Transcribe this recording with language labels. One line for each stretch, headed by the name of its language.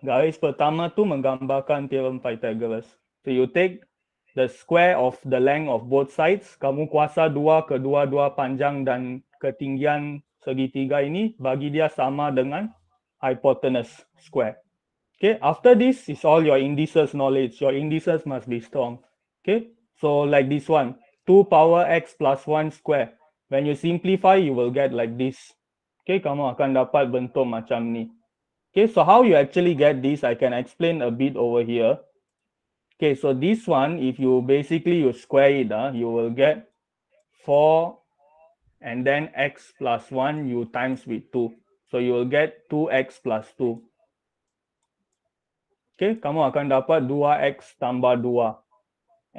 Malay: Garis pertama tu menggambarkan theorem Pythagoras.
English: So you take the square of the length of both sides,
Malay: kamu kuasa 2 kedua-dua panjang dan ketinggian segitiga ini bagi dia sama dengan hypotenuse square.
English: Okay, after this is all your indices knowledge. Your indices must be strong. Okay, so like this one, 2 power x plus 1 square. When you simplify, you will get like this.
Malay: Okay, kamu akan dapat bentuk macam ni.
English: Okay, so how you actually get this, I can explain a bit over here. Okay, so this one, if you basically you square it, you will get 4 and then x plus 1 you times with 2. So you will get 2x plus 2.
Malay: Okay, kamu akan dapat 2x tambah 2.